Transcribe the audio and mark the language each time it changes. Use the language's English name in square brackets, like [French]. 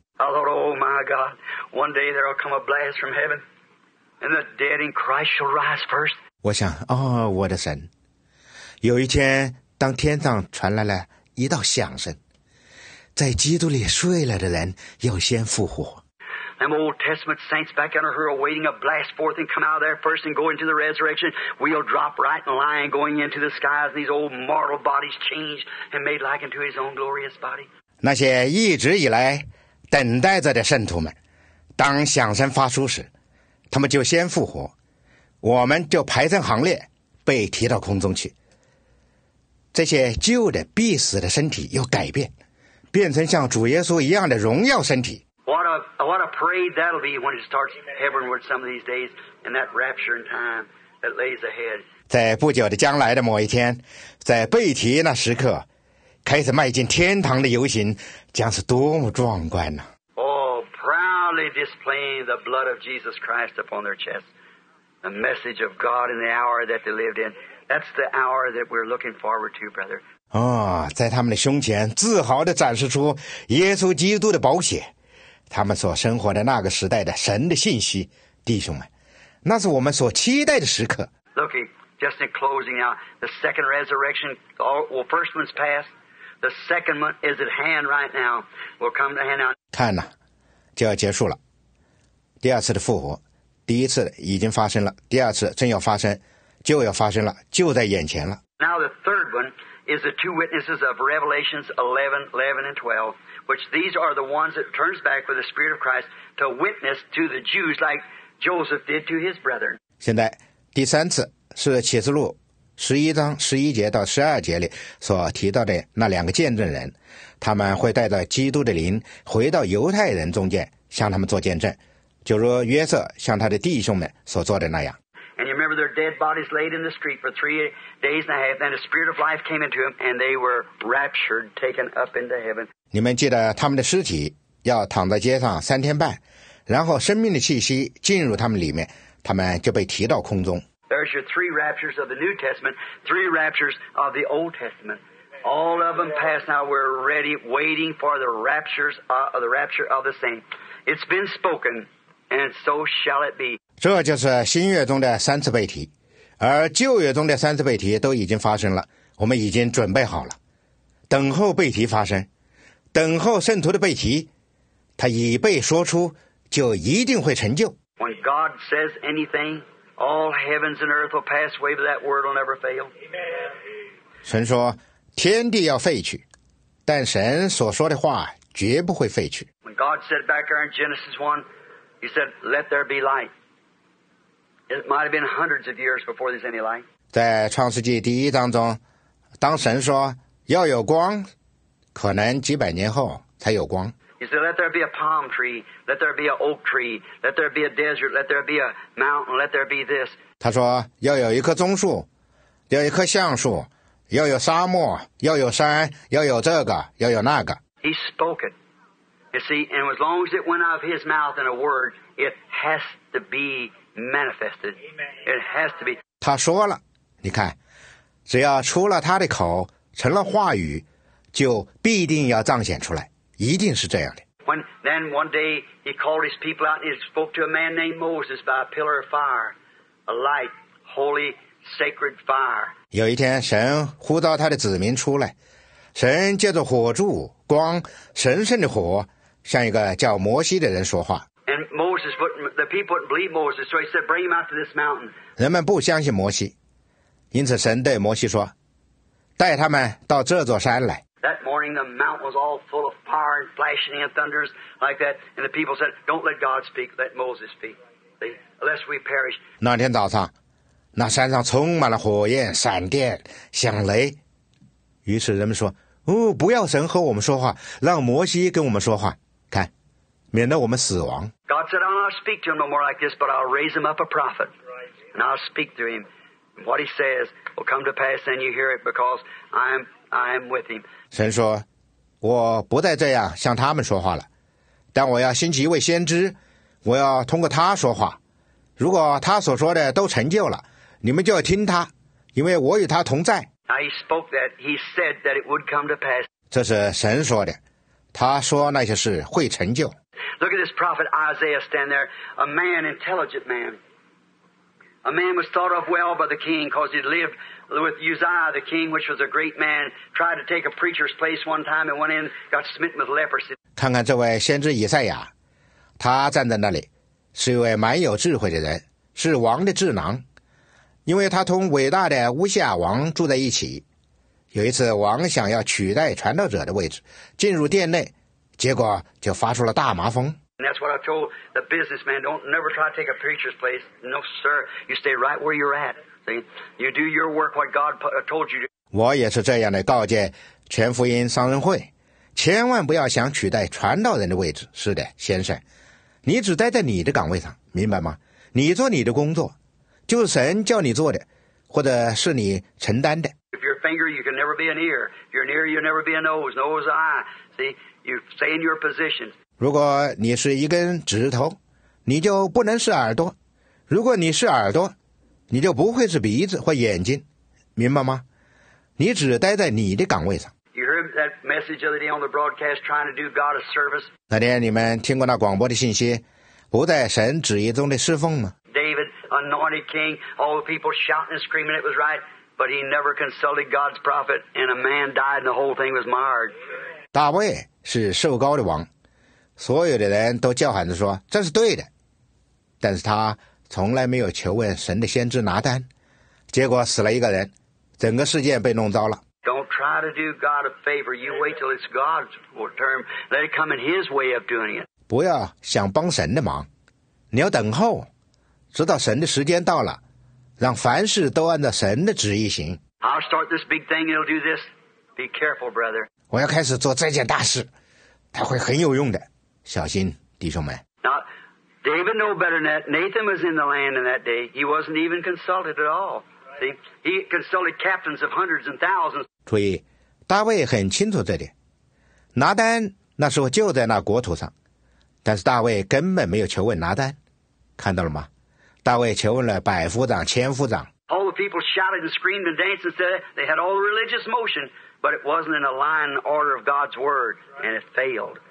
[English] I thought, oh my God, one day there will come a blast from heaven and the dead in Christ shall rise first. [Chinese] 我想，哦，我的神，有一天当天上传来了一道响声，在基督里睡了的人要先复活。 [English] Them Old Testament saints back under her awaiting a blast forth and come out of there first and go into the resurrection. We'll drop right in line going into the skies. These old mortal bodies changed and made like into His own glorious body. [Chinese] 那些一直以来等待着的圣徒们，当响声发出时，他们就先复活，我们就排成行列被提到空中去。这些旧的必死的身体要改变，变成像主耶稣一样的荣耀身体。 [English] What a parade that'll be when it starts heavenward some of these days in that rapture in time that lays ahead. [Chinese] 在不久的将来的某一天，在背题那时刻，开始迈进天堂的游行将是多么壮观呢、啊、 [English] Oh, proudly displaying the blood of Jesus Christ upon their chest. The message of God in the hour that they lived in. That's the hour that we're looking forward to, brother. [Chinese] 哦，在他们的胸前自豪地展示出耶稣基督的宝血，他们所生活的那个时代的神的信息，弟兄们，那是我们所期待的时刻。 [English] Look, just in closing now, the second resurrection, well, first one's passed. The second one is at hand right now. We'll come to hand out. [Chinese] 看呐、啊，就要结束了。第二次的复活，第一次已经发生了，第二次正要发生，就要发生了，就在眼前了。 [English] Now the third one is the two witnesses of Revelations 11:11 and 12, which these are the ones that turns back with the Spirit of Christ to witness to the Jews like Joseph did to his brethren. [Chinese] 现在第三次是启示录11:11-12里所提到的那两个见证人，他们会带着基督的灵回到犹太人中间向他们做见证，就如约瑟向他的弟兄们所做的那样。 [English] And you remember their dead bodies laid in the street for 3 days and a half, and the spirit of life came into them, and they were raptured, taken up into heaven. [Chinese] 你们记得他们的尸体要躺在街上三天半，然后生命的气息进入他们里面，他们就被提到空中。 [English] There's your 3 raptures of the New Testament, 3 raptures of the Old Testament. All of them passed now. We're ready, waiting for the raptures, the rapture of the saints. It's been spoken, and so shall it be. [Chinese] 这就是新约中的三次被提，而旧约中的三次被提都已经发生了，我们已经准备好了，等候被提发生，等候圣徒的被提，他已被说出，就一定会成就。 [English] When God says anything, all heavens and earth will pass away, but that word will never fail. [Chinese] 神说，天地要废去，但神所说的话绝不会废去。 [English] When God said back there in Genesis 1, He said, "Let there be light." It might have been hundreds of years before there's any light. [Chinese] 在创世纪第一章中，当神说要有光，可能几百年后才有光。 [English] He said, "Let there be a palm tree, let there be an oak tree, let there be a desert, let there be a mountain, let there be this." [Chinese] 他说要有一棵棕树，要一棵橡树，要有沙漠，要有山，要有这个，要有那个。 [English] He spoke it. You see, and as long as it went out of his mouth in a word, it has to be. Manifested. It has to be. [Chinese] 他说了，你看，只要出了他的口，成了话语，就必定要彰显出来，一定是这样的。 [English] When then one day he called his people out and he spoke to a man named Moses by a pillar of fire, a light, holy, sacred fire. [Chinese] 有一天，神呼召他的子民出来，神借着火柱、光、神圣的火，向一个叫摩西的人说话。 [English] And Moses, but the people didn't believe Moses, so he said, "Bring him out to this mountain." [Chinese] 人们不相信摩西，因此神对摩西说，带他们到这座山来。 [English] That morning, the mountain was all full of fire and flashing and thunders like that, and the people said, "Don't let God speak; let Moses speak, lest we perish." [Chinese] 那天早上，那山上充满了火焰、闪电、响雷，于是人们说，哦，不要神和我们说话，让摩西跟我们说话。免得我们死亡。 [English] God said, "I'll not speak to him no more like this, but I'll raise him up a prophet, and I'll speak to him. What he says will come to pass, and you hear it because I am with him." [Chinese] 神说，我不再这样向他们说话了，但我要兴起一位先知，我要通过他说话。如果他所说的都成就了，你们就要听他，因为我与他同在。 [English] Now he spoke that he said that it would come to pass. [Chinese] 这是神说的，他说那些事会成就。 [English] Look at this prophet Isaiah stand there, a man, intelligent man. A man was thought of well by the king because he'd lived with Uzziah, the king, which was a great man, tried to take a preacher's place one time and went in, got smitten with leprosy. [Chinese] 看看这位先知以赛亚，他站在那里，是一位蛮有智慧的人，是王的智囊，因为他同伟大的乌西亚王住在一起。有一次，王想要取代传道者的位置，进入殿内。结果就发出了大麻风。 [English] And that's what I told the businessman. Don't never try to take a preacher's place. No, sir. You stay right where you're at. See, you do your work what God told you to. [Chinese] 我也是这样的告诫全福音商人会，千万不要想取代传道人的位置。是的，先生，你只待在你的岗位上，明白吗？你做你的工作，就是神叫你做的，或者是你承担的。 [English] If you're finger, you can never be an ear. If you're an ear, you'll never be a nose. Nose, eye. See, you stay in your position. [Chinese] 如果你是一根指头，你就不能是耳朵。如果你是耳朵，你就不会是鼻子或眼睛，明白吗？你只待在你的岗位上。 [English] You heard that message the other day on the broadcast, trying to do God a service. [Chinese] 那天你们听过那广播的信息，不在神旨意中的侍奉吗？ [English] Anointed king, all the people shouting and screaming, it was right, but he never consulted God's prophet, and a man died, and the whole thing was marred. [Chinese] 大卫是受膏的王，所有的人都叫喊着说这是对的，但是他从来没有求问神的先知拿单，结果死了一个人，整个事件被弄糟了。 [English] Don't try to do God a favor. You wait till it's God's turn. Let it come in His way of doing it. [Chinese] 不要想帮神的忙，你要等候。直到神的时间到了，让凡事都按照神的旨意行。 [English] I'll start this big thing, it'll do this. Be careful, brother. [Chinese] 我要开始做这件大事，它会很有用的。小心，弟兄们。 [English] Now, David knew better than that. Nathan was in the land in that day. He wasn't even consulted at all. See, he consulted captains of hundreds and thousands. [Chinese] 注意，大卫很清楚这点。拿单那时候就在那国土上，但是大卫根本没有求问拿单，看到了吗？大卫求问了百夫长、千夫长。 [English] All the people shouted and screamed and danced and said they had all the religious motion, but it wasn't in a line order of God's word, and it failed.